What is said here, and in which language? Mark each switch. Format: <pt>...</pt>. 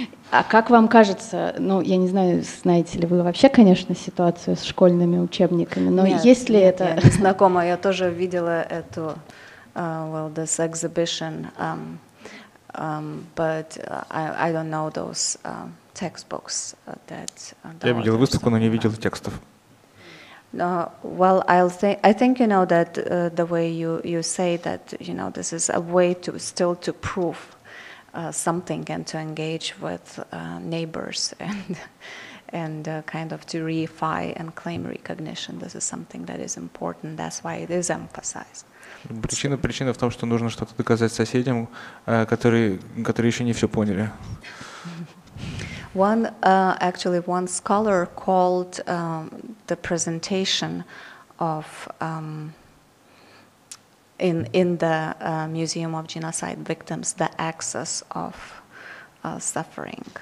<ru>А как вам кажется, я не знаю, знаете ли вы вообще, конечно, ситуацию с школьными учебниками, но если это... Нет, я не знакома, я тоже видела эту</ru> <en>this exhibition, but I don't know those... textbooks that</en> <ru>я видел выставку, но не видел текстов.</ru> <en>No, well, I think you know that the way you say that, you know, this is a way to still to prove something and to engage with neighbors and kind of to reify and claim recognition. This is something that is important. That's why it is emphasized.</en> <ru>Причина в том, что нужно что-то доказать соседям, которые еще не все поняли.</ru> <en>One scholar called the presentation of in the Museum of Genocide Victims the excess of suffering.</en>